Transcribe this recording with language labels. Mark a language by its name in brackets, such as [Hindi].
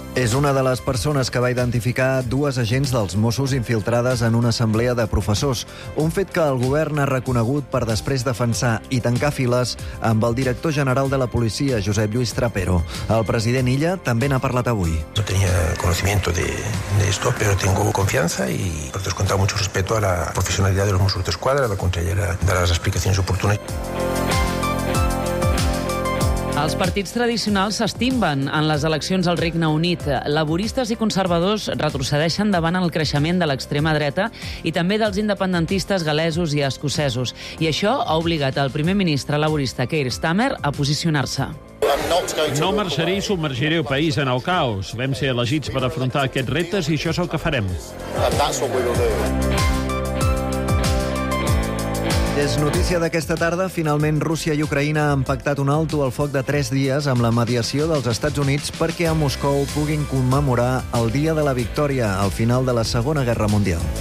[Catalan] És una de les persones que va identificar dues agents dels Mossos infiltrades en una assemblea de professors, un fet que el govern ha reconegut per després defensar i tancar files amb el director general de la policia, Josep Lluís Trapero. El president Illa també n'ha parlat avui. [Spanish] No tenía conocimiento de esto, pero tengo confianza y por descontado mucho respeto a la profesionalidad de los Mossos d'Esquadra, la consellera dará las explicaciones oportunas. [Catalan] Els partits tradicionals s'estimben en les eleccions al Regne Unit. Laboristes i conservadors retrocedeixen davant el creixement de l'extrema dreta i també dels independentistes galesos i escocesos. I això ha obligat el primer ministre laborista Keir Starmer a posicionar-se. No marxaré i submergiré el país en el caos. Vam ser elegits per afrontar aquests reptes i això és el que farem. És notícia d'aquesta tarda. Finalment, Rússia i Ucraïna han pactat un alto al foc de 3 dies amb la mediació dels Estats Units perquè a Moscou puguin commemorar el Dia de la Victòria al final de la Segona Guerra Mundial.